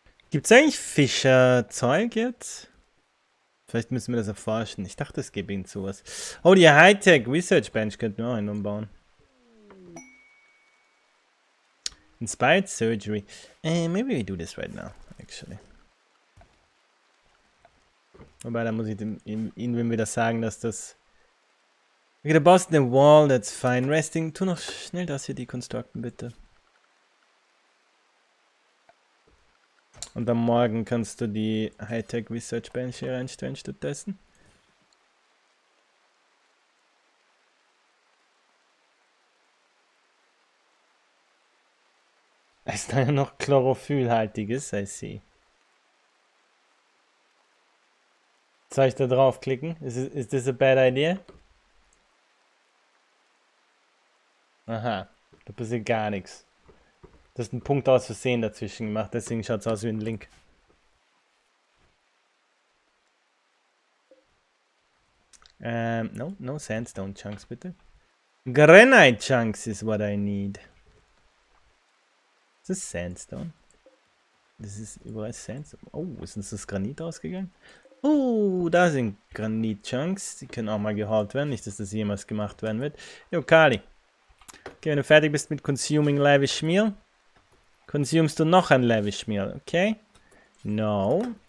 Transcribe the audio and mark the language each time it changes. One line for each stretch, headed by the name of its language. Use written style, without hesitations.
German: Gibt's eigentlich Fischerzeug jetzt? Vielleicht müssen wir das erforschen. Ich dachte, es gäbe ihnen sowas. Oh, die Hightech Research Bench könnten wir auch einen umbauen.
English: Inspired Surgery. Maybe we do this right now, actually.
German: Wobei, da muss ich ihnen wieder sagen, dass das...
English: Okay, der Boss in the wall, that's fine.
German: Resting, tu noch schnell das hier deconstructen, bitte. Und am Morgen kannst du die Hightech Research Bench hier reinstellen stattdessen. Ist da ja noch Chlorophyllhaltiges,
English: I see.
German: Soll ich da draufklicken?
English: Is this a bad idea?
German: Aha, da passiert gar nichts. Du hast einen Punkt aus Versehen dazwischen gemacht, deswegen schaut es aus wie ein Link.
English: No sandstone chunks, bitte. Granite chunks is what I need. Is this sandstone? This is überall sandstone.
German: Oh, ist uns das Granit ausgegangen? Da sind Granit-Chunks. Die können auch mal geholt werden. Nicht, dass das jemals gemacht werden wird. Jo, Kali. Okay, wenn du fertig bist mit Consuming Lavish Meal, konsumst du noch ein Lavish Meal, okay? No.